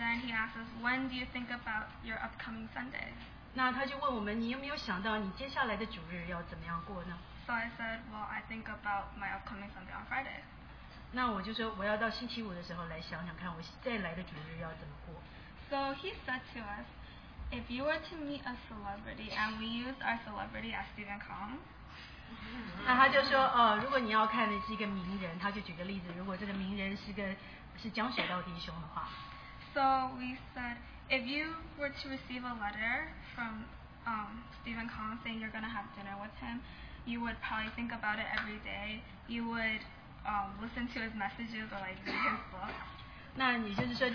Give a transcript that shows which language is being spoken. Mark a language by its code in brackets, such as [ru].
[en] then he asked us, when do you think about your upcoming Sunday? [zh] 那他就问我们，你有没有想到你接下来的主日要怎么样过呢？ [en] So I said, well, I think about my upcoming Sunday on Friday. [zh] 那我就说，我要到星期五的时候来想想看，我再来的主日要怎么过。 [en] So he said to us, if you were to meet a celebrity, and we use our celebrity as Stephen Kong, [zh] 那他就说，如果你要看的是一个名人，他就举个例子，如果这个名人是江雪道弟兄的话。 [en] So we said, if you were to receive a letter from Stephen Kong saying you're going to have dinner with him, you would probably think about it every day. You would listen to his messages or like read his books.